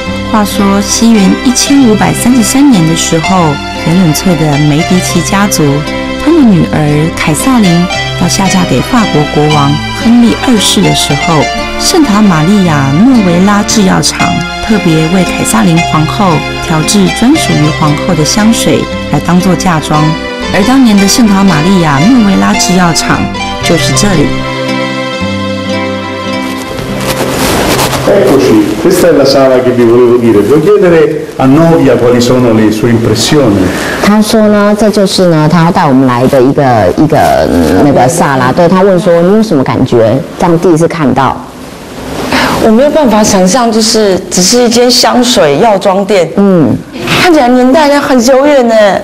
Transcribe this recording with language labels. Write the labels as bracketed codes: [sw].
[zh] 话说西元1533年的时候，翡冷翠的梅迪奇家族，他们女儿凯撒琳要下嫁给法国国王亨利二世的时候，圣塔玛利亚诺维拉制药厂特别为凯撒琳皇后调制专属于皇后的香水来当作嫁妆，而当年的圣塔玛利亚诺维拉制药厂就是这里。 [it] Eccoci, questa è la sala che vi volevo dire. Devo chiedere a Novia quali sono le sue impressioni. [zh] 他说呢，这就是呢，他要带我们来的一个那个萨拉。对，他问说，你有什么感觉？这样第一次看到。我没有办法想象，就是只是一间香水药妆店。嗯，看起来年代呢很久远呢。